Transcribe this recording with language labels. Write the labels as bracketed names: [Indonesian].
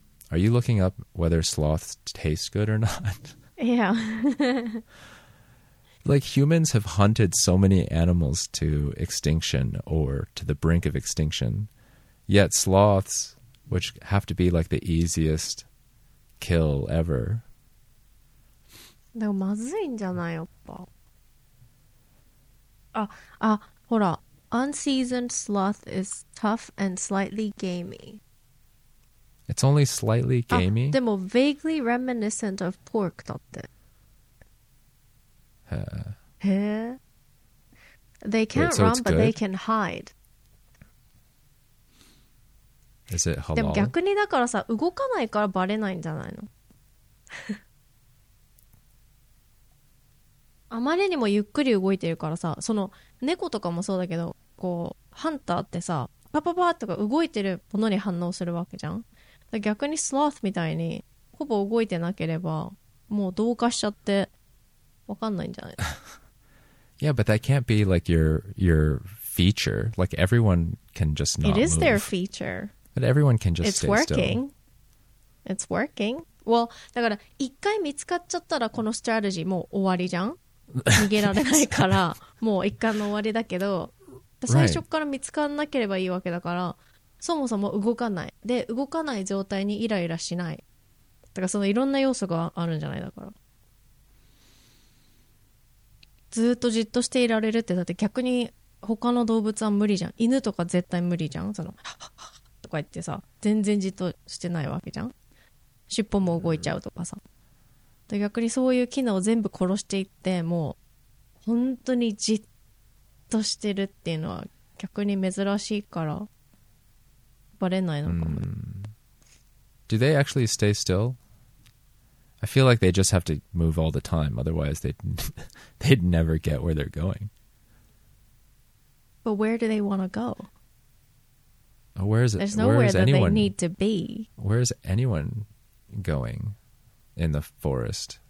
[English] Are you looking up whether sloths taste good or not? Yeah. Like humans have hunted so many animals to extinction or to the brink of extinction. Yet sloths, which have to be like the easiest kill ever. [Japanese] でもまずいんじゃないよ。あ、あ、ほら。 [English] Unseasoned sloth is tough and slightly gamey. It's only slightly gamey? Ah, [Japanese] demo [English] vaguely reminiscent of pork, [Japanese] だって. Heh. [English] Heh. They can't run, but they can hide. Is it halal? [Japanese] でも逆にだからさ、動かないからバレないんじゃないの？あまりにもゆっくり動いてるからさ、その猫とかもそうだけど、こうハンターってさ、パパパーとか動いてるものに反応するわけじゃん。逆にスローフみたいにほぼ動いてなければもう同化しちゃってわかんないんじゃない。 [English] Yeah, but that can't be like your feature. Like everyone can just not move. It is their feature. But everyone can just stay still. It's working. It's working. Well, [Japanese] だから一回見つかっちゃったらこのストラテジーもう終わりじゃん。逃げられないからもう一回の終わりだけど、最初から見つからなければいいわけだから、 [English] right. [Japanese] そもそも動かないで、動かない状態にイライラしない、だからそのいろんな要素があるんじゃない。だからずっとじっとしていられるって、だって逆に他の動物は無理じゃん。犬とか絶対無理じゃん、そのとか言ってさ、全然じっとしてないわけじゃん、尻尾も動いちゃうとかさ。で逆にそういう機能を全部殺していって、もう本当にじっとしてるっていうのは逆に珍しいからバレないのかも。 [English] Do they actually stay still? I feel like they just have to move all the time, otherwise they'd never get where they're going. But where do they want to go? Where is it? There's nowhere that they need to be. Where is anyone going in the forest?